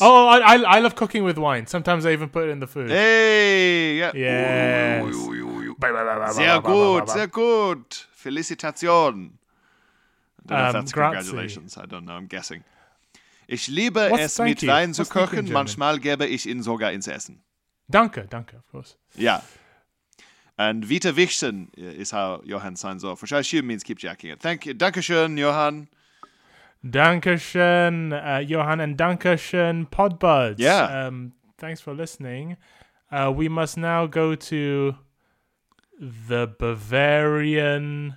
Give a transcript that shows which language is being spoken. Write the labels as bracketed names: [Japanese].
[English] Oh, I love cooking with wine. Sometimes I even put it in the food. Hey! Yeah. Yes. [German] Sehr gut, sehr gut. Felicitation. [English] I don't know if that's congratulations. I don't know. I'm guessing. [German] Ich liebe es, mit Wein zu kochen. Manchmal gebe ich ihn sogar ins Essen. Danke, danke, [English] of course. Yeah. And Vita Wichsen is how Johan signs off, which I assume means keep jacking it. Thank you. [German] Danke schön, [English] Johan. [German] Danke schön, Johan, and danke schön, Podbuds. [English] Yeah. Thanks for listening. We must now go to the Bavarian